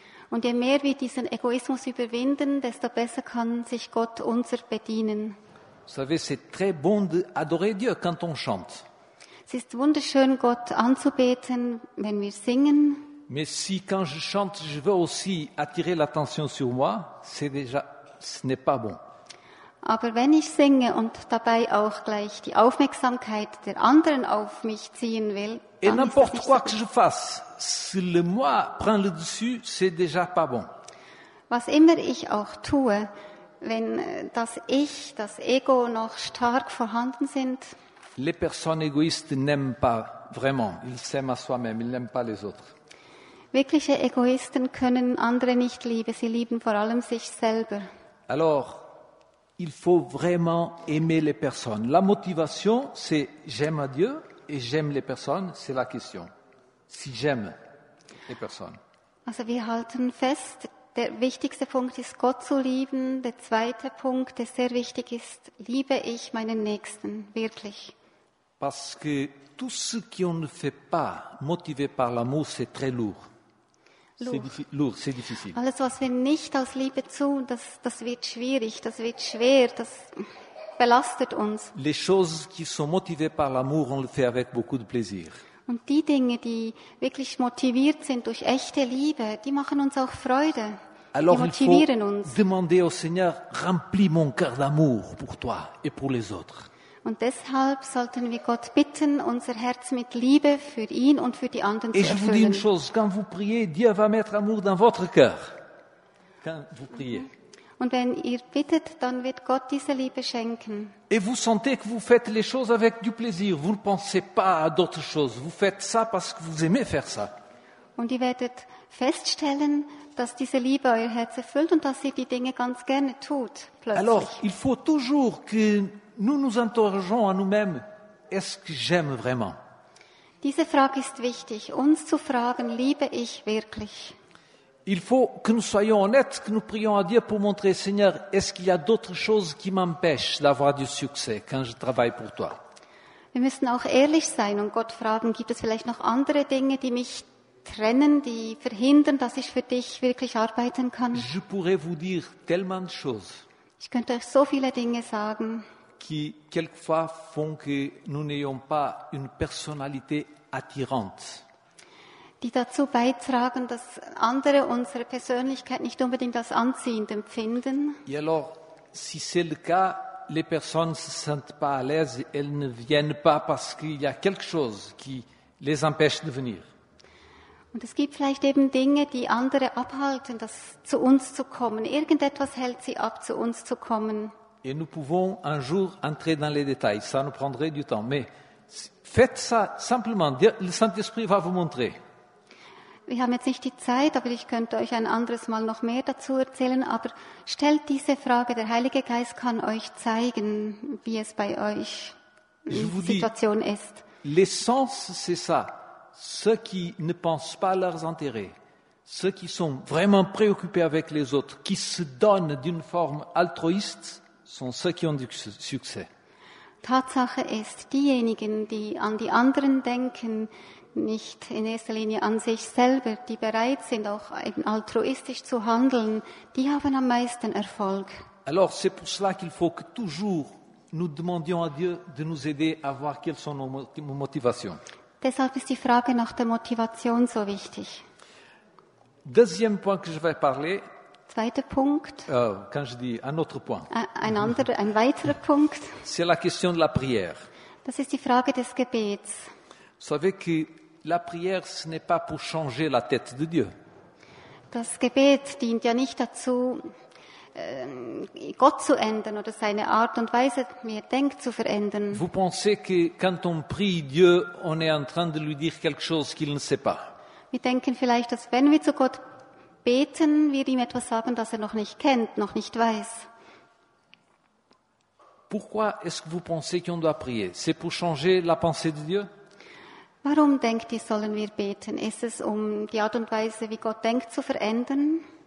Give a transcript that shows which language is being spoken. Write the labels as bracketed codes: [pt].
[de] Und je mehr wir diesen Egoismus überwinden, desto besser kann sich Gott unser bedienen. [fr] Vous savez, c'est très bon d'adorer Dieu quand on chante. [de] Es ist wunderschön, Gott anzubeten, wenn wir singen. [fr] Mais si quand je chante, je veux aussi attirer l'attention sur moi, ce n'est pas bon. [de] Aber wenn ich singe und dabei auch gleich die Aufmerksamkeit der anderen auf mich ziehen will, [fr] et n'importe quoi que je fasse, si le moi prend le dessus, c'est déjà pas bon. [de] Was immer ich auch tue, wenn das Ich, das Ego noch stark vorhanden sind, [fr] les personnes égoïstes n'aiment pas vraiment. Ils s'aiment à soi-même, ils n'aiment pas les autres. [de] Wirkliche Egoisten können andere nicht lieben, sie lieben vor allem sich selber. [fr] Alors, il faut vraiment aimer les personnes. La motivation, c'est j'aime Dieu et j'aime les personnes, c'est la question. Si j'aime les personnes. [de] Also wir halten fest, der wichtigste Punkt ist Gott zu lieben. Der zweite Punkt, der sehr wichtig ist, liebe ich meinen Nächsten wirklich. [fr] Parce que tout ce qu'on ne fait pas motivé par l'amour, c'est très lourd. Lourd, c'est difficile. [de] Alles, was wir nicht aus Liebe tun, das wird schwierig, das wird schwer, das belastet uns. [fr] Les choses qui sont motivées par l'amour, on le fait avec beaucoup de plaisir. [de] Und die Dinge, die wirklich motiviert sind durch echte Liebe, die machen uns auch Freude. [fr] Alors, [de] die motivieren uns. [fr] Demander au Seigneur, remplis mon cœur d'amour pour toi et pour les autres. [de] Und deshalb sollten wir Gott bitten, unser Herz mit Liebe für ihn und für die anderen zu erfüllen. [fr] Et je vous dis une chose, quand vous priez, Dieu va mettre amour dans votre cœur. Quand vous priez. [de] Und wenn ihr bittet, dann wird Gott diese Liebe schenken. [fr] Et vous sentez que vous faites les choses avec du plaisir. Vous ne pensez pas à d'autres choses. Vous faites ça parce que vous aimez faire ça. [de] Und ihr werdet feststellen, dass diese Liebe euer Herz erfüllt und dass ihr die Dinge ganz gerne tut. Plötzlich. [fr] Alors, il faut toujours que nous nous interrogeons à nous-mêmes, est-ce que j'aime vraiment? [de] Diese Frage ist wichtig, uns zu fragen, liebe ich wirklich? [fr] Il faut que nous soyons honnêtes, que nous prions à Dieu pour montrer, Seigneur, est-ce qu'il y a d'autres choses qui m'empêchent d'avoir du succès quand je travaille pour toi? [de] Wir müssen auch ehrlich sein und Gott fragen, gibt es vielleicht noch andere Dinge, die mich trennen, die verhindern, dass ich für dich wirklich arbeiten kann? [fr] Je pourrais vous dire tellement de choses. [de] Ich könnte euch so viele Dinge sagen. [fr] Qui quelquefois font que nous n'ayons pas une personnalité attirante. [de] Die dazu beitragen, dass andere unsere Persönlichkeit nicht unbedingt als anziehend empfinden. [fr] Et alors, si c'est le cas, les personnes se sentent pas à l'aise, elles ne viennent pas parce qu'il y a quelque chose qui les empêche de venir. [de] Und es gibt vielleicht eben Dinge, die andere abhalten, das zu uns zu kommen. Irgendetwas hält sie ab, zu uns zu kommen. [fr] Et nous pouvons un jour entrer dans les détails. Ça nous prendrait du temps. Mais faites ça simplement. Le Saint-Esprit va vous montrer. [de] Wir haben jetzt nicht die Zeit, aber ich könnte euch ein anderes Mal noch mehr dazu erzählen. Aber stellt diese Frage. Der Heilige Geist kann euch zeigen, wie es bei euch die Situation ist. [fr] L'essence, c'est ça. Ceux qui ne pensent pas à leurs intérêts. Ceux qui sont vraiment préoccupés avec les autres. Qui se donnent d'une forme altruiste. Sont ceux qui ont du succès. [de] Tatsache ist, diejenigen, die an die anderen denken, nicht in erster Linie an sich selber, die bereit sind, auch eben altruistisch zu handeln, die haben am meisten Erfolg. [fr] Alors, c'est pour cela qu'il faut que toujours nous demandions à Dieu de nous aider à voir quelles sont nos motivations. [de] Deshalb ist die Frage nach der Motivation so wichtig. [fr] Deuxième point que je vais parler. [de] Zweiter Punkt. [fr] Quand je dis un autre point. [de] Ein weiterer Punkt. [fr] C'est la question de la prière. [de] Das ist die Frage des Gebets. [fr] Vous savez que la prière, ce n'est pas pour changer la tête de Dieu. [de] Das Gebet dient ja nicht dazu, Gott zu ändern oder seine Art und Weise, wie er denkt, zu verändern. [fr] Vous pensez que quand on prie Dieu, on est en train de lui dire quelque chose qu'il ne sait pas. [de] Wir denken vielleicht, dass wenn wir zu Gott beten, wir ihm etwas sagen, das er noch nicht kennt, noch nicht weiß. [fr] Pourquoi est-ce que vous pensez qu'on doit prier? C'est pour changer la pensée de Dieu? [de] Warum denkt ihr, sollen wir beten? Ist es, um die Art und Weise, wie Gott denkt, zu verändern?